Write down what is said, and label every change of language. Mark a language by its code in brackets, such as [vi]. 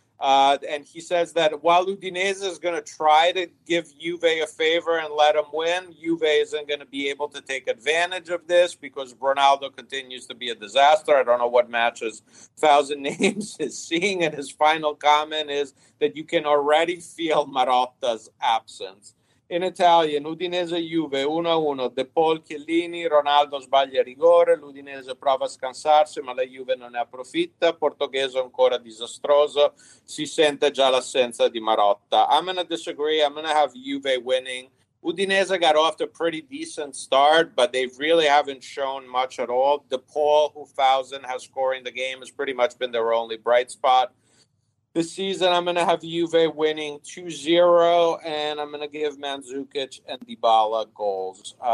[en] And he says that while Udinese is going to try to give Juve a favor and let him win, Juve isn't going to be able to take advantage of this because Ronaldo continues to be a disaster. I don't know what matches Thousand Names is seeing. And his final comment is that you can already feel Marotta's absence. In Italian, [it] Udinese Juve 1-1, De Paul Chiellini, Ronaldo sbaglia rigore, l'Udinese prova a scansarsi, ma la Juve non ne approfitta, Portoghese ancora disastroso, si sente già l'assenza di Marotta. [en] I'm going to disagree, I'm going to have Juve winning. Udinese got off to a pretty decent start, but they really haven't shown much at all. De Paul, who Thousand has scoring the game, has pretty much been their only bright spot. This season, I'm going to have Juve winning 2-0, and I'm going to give Mandzukic and Dybala goals.